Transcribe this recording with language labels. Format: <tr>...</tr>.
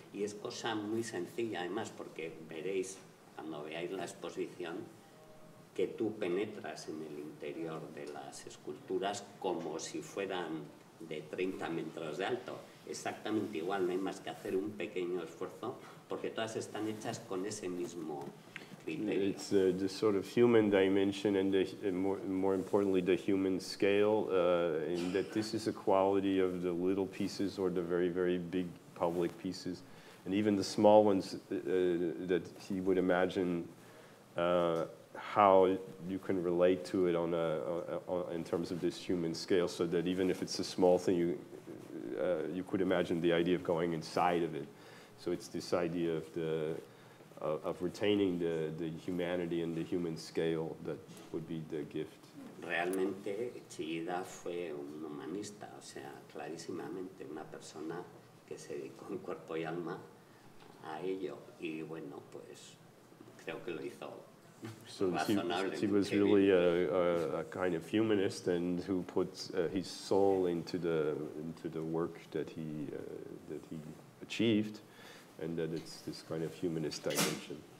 <es>Y es cosa muy sencilla, además, porque veréis, cuando veáis la exposición, que tú penetras en el interior de las esculturas como si fueran de 30 metros de alto. Exactamente igual, no hay más que hacer un pequeño esfuerzo, porque todas están hechas con ese mismo criterio.</es> <en>It's the sort of human dimension and, more importantly, the human scale, in that this is a quality of the little pieces or the very, very big public pieces. And even the small ones that he would imagine how you can relate to it in terms of this human scale, so that even if it's a small thing, you could imagine the idea of going inside of it. So it's this idea of of retaining the humanity and the human scale that would be the gift.</en> <es>Realmente, Chillida fue un humanista, o sea, clarísimamente una persona que se dedicó en cuerpo y alma a ello, y bueno, pues creo que lo hizo.</es> <en>So he was really a kind of humanist, and who put his soul into the work that he achieved, and that it's this kind of humanist dimension.</en>